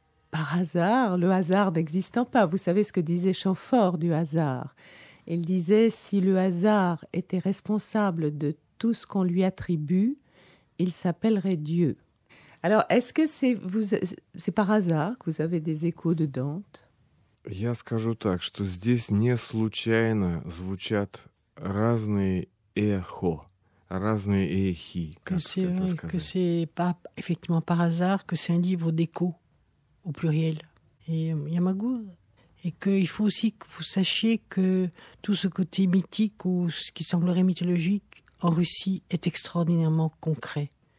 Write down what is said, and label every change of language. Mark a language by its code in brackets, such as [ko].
[fr] par hasard, le hasard n'existant pas. Vous savez ce que disait Champfort du hasard. Il disait « Si le hasard était responsable de tout ce qu'on lui attribue, il s'appellerait Dieu. » Alors, est-ce que c'est par hasard que vous avez des échos de Dante ? [ru] Я скажу так, что здесь не случайно звучат разные эхо. Разные эхи, как это сказать. [fr] Que c'est pas effectivement par hasard que c'est un livre d'écho. Au pluriel. Et Yamagou. Et qu'il faut aussi que vous sachiez que tout ce côté mythique ou ce qui semblerait mythologique en Russie est extraordinairement concret.